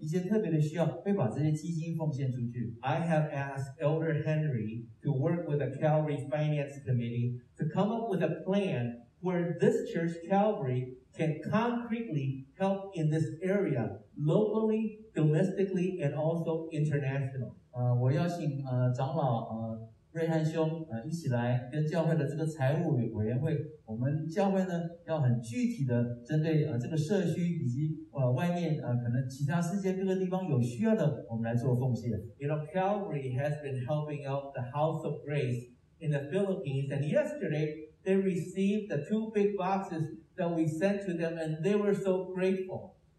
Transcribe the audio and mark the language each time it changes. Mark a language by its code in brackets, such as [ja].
[zh] 我们来到了教会，他们通常都有设立一个基金，针对校外会有的需要，或是外面一些特别的需要，会把这些基金奉献出去。 [en] I have asked Elder Henry to work with the Calvary Finance Committee to come up with a plan where this church, Calvary, can concretely help in this area, locally, domestically, and also international. [zh] 我邀请长老 瑞汉兄一起来跟教会的这个财务委员会，我们教会呢要很具体的针对这个社区以及外面可能其他世界各个地方有需要的，我们来做奉献。 [en] You know, Calvary has been helping out the House of Grace in the Philippines, and yesterday they received the two big boxes that we sent to them, and they were so grateful.